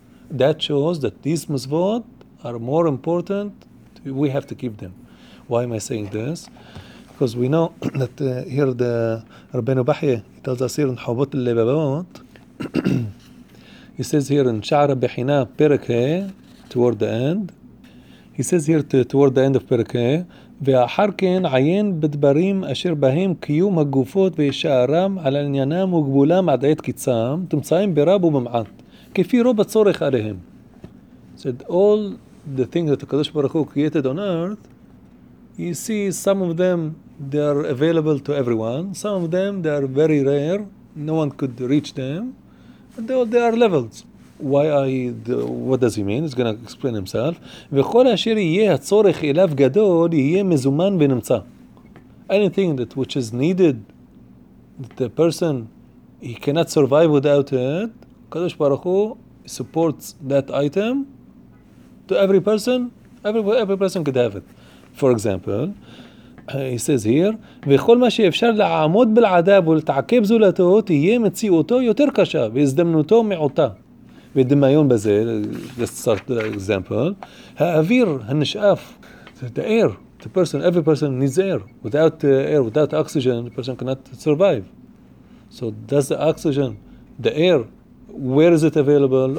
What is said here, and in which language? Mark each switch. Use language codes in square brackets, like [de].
[en] That shows that these mitzvot are more important. We have to keep them. Why am I saying this? Because we know that here the Rabbeinu Bahya, he tells us here in Chovot Levavot, he says here in Sha'ar Bechina Perek He, toward the end. He says here toward the end of Perek He, [he] ואחר כן עיין בדברים אשר בהם קיום הגופות וישארם על עניינם וגבולם עד עת קיצם, תמצאים ברב וממעט, כפי רוב הצורך עליהם. [en] He said, all the things that הקדוש ברוך הוא created on earth, you see some of them, they are available to everyone. Some of them, they are very rare. No one could reach them. They are levels. What does he mean? He's going to explain himself. [he] וכל אשר יהיה הצורך אליו גדול יהיה מזומן ונמצא. [en] Anything that which is needed, that the person, he cannot survive without it, Kadosh Baruch Hu supports that item to every person. Every person could have it. For example, he says here, [he] וכל מה שאפשר לעמוד בלעדיו ולתעכב זולתו, תהיה מציאותו יותר קשה, והזדמנותו מעוטה. ודמיון בזה, [en] let's start the example, [he] האוויר הנשאף, [en] the air, the person, every person needs air. Without air, without oxygen, the person cannot survive. So does the oxygen, the air, where is it available?